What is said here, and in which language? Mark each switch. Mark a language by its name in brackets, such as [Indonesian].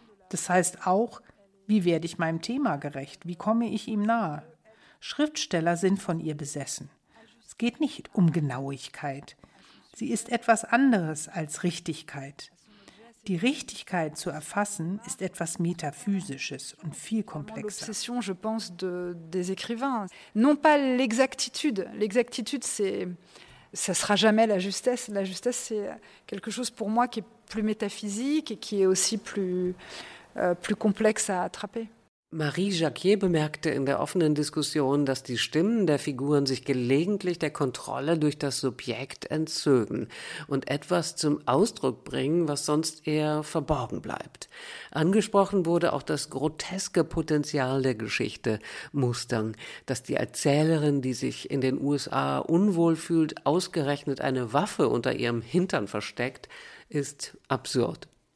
[German] Das heißt auch, wie werde ich meinem Thema gerecht? Wie komme ich ihm nahe? Schriftsteller sind von ihr besessen. Es geht nicht um Genauigkeit. Sie ist etwas anderes als Richtigkeit. Die Richtigkeit zu erfassen ist etwas Metaphysisches und viel komplexer. [French] L'obsession, je pense, des écrivains. Non pas l'exactitude. L'exactitude, c'est, ça sera jamais la justesse. La justesse, c'est quelque chose pour moi qui est plus métaphysique et qui est aussi plus complexe à attraper. [German] Marie Jacquier bemerkte in der offenen Diskussion, dass die Stimmen der Figuren sich gelegentlich der Kontrolle durch das Subjekt entzögen und etwas zum Ausdruck bringen, was sonst eher verborgen bleibt. Angesprochen wurde auch das groteske Potenzial der Geschichte Mustang, dass die Erzählerin, die sich in den USA unwohl fühlt, ausgerechnet eine Waffe unter ihrem Hintern versteckt, ist absurd.